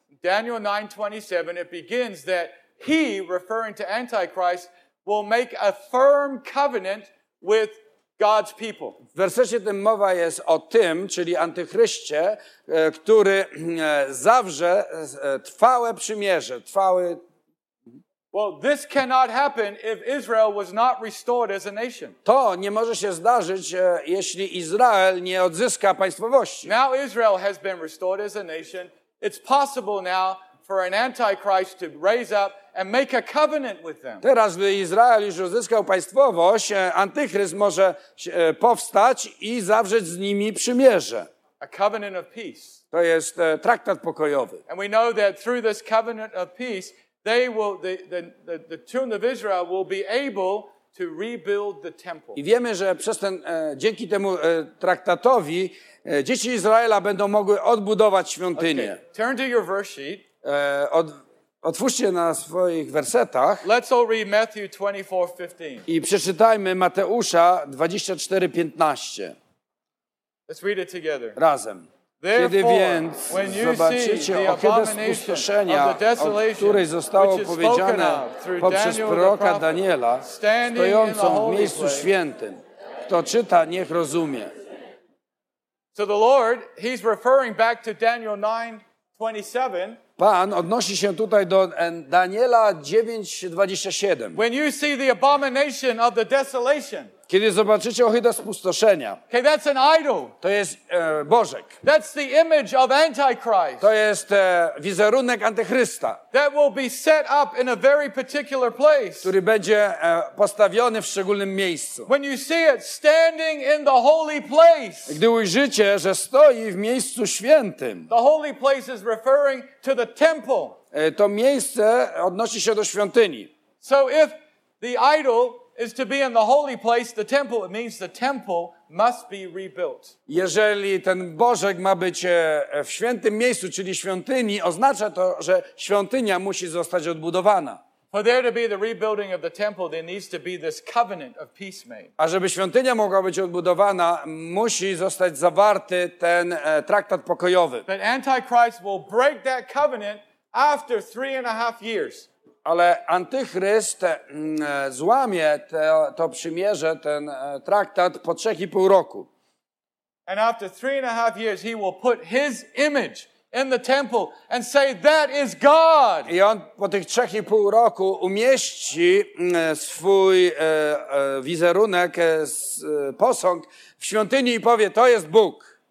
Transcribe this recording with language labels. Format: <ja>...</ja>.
<en>Daniel 9:27, it begins that he, referring to Antichrist, will make a firm covenant with God's people.</en> <pl>W wersecie tym mowa jest o tym, czyli Antychryście, który zawrze trwałe przymierze, trwały.</pl> <en>Well, this cannot happen if Israel was not restored as a nation.</en> <pl>To nie może się zdarzyć, jeśli Izrael nie odzyska państwowości.</pl> <en>Now Israel has been restored as a nation. It's possible now for an antichrist to raise up and make a covenant with them.</en> <pl>Teraz, gdy Izrael już uzyskał państwowość, Antychryst może powstać i zawrzeć z nimi przymierze.</pl> <en>A covenant of peace.</en> <pl>To jest traktat pokojowy.</pl> <en>And we know that through this covenant of peace, they will the children of Israel will be able to rebuild the temple.</en> <pl>I wiemy, że przez ten dzięki temu traktatowi dzieci Izraela będą mogły odbudować świątynię.</pl> <en>Okay. Turn to your verse sheet.</en> <pl>Otwórzcie na swoich wersetach.</pl> <en>Let's all read Matthew 24:15.</en> <pl>I przeczytajmy Mateusza 24:15.</pl> <en>Let's read it together.</en> <pl>Razem. Kiedy więc zobaczycie ohydę spustoszenia, o której zostało powiedziane poprzez proroka Daniela, stojącą w miejscu świętym. Kto czyta, niech rozumie.</pl> <en>So the Lord, he's referring back to Daniel 9:27.</en> <pl>Pan odnosi się tutaj do Daniela 9:27.</pl> <en>When you see the abomination of the desolation.</en> <pl>Kiedy zobaczycie ohydę spustoszenia.</pl> <en>Okay, that's an idol.</en> <pl>To jest bożek.</pl> <en>That's the image of Antichrist.</en> <pl>To jest wizerunek Antychrysta.</pl> <en>That will be set up in a very particular place.</en> <pl>Który będzie postawiony w szczególnym miejscu.</pl> <en>When you see it standing in the holy place.</en> <pl>Gdy ujrzycie, że stoi w miejscu świętym.</pl> <en>The holy place is referring to the temple.</en> <pl>To miejsce odnosi się do świątyni.</pl> <en>So if the idol is to be in the holy place, the temple. It means the temple must be rebuilt.</en> <pl>Jeżeli ten bożek ma być w świętym miejscu, czyli świątyni, oznacza to, że świątynia musi zostać odbudowana.</pl> <en>For there to be the rebuilding of the temple, there needs to be this covenant of peace made.</en> <pl>A żeby świątynia mogła być odbudowana, musi zostać zawarty ten traktat pokojowy.</pl> <en>But Antichrist will break that covenant after 3.5 years.</en> <pl>Ale Antychryst złamie to przymierze, ten traktat po 3.5 roku.</pl> <en>And after 3.5 years, he will put his image in the temple and say, that is God.</en> <pl>I on po tych 3.5 roku umieści swój wizerunek, posąg w świątyni i powie, to jest Bóg.</pl>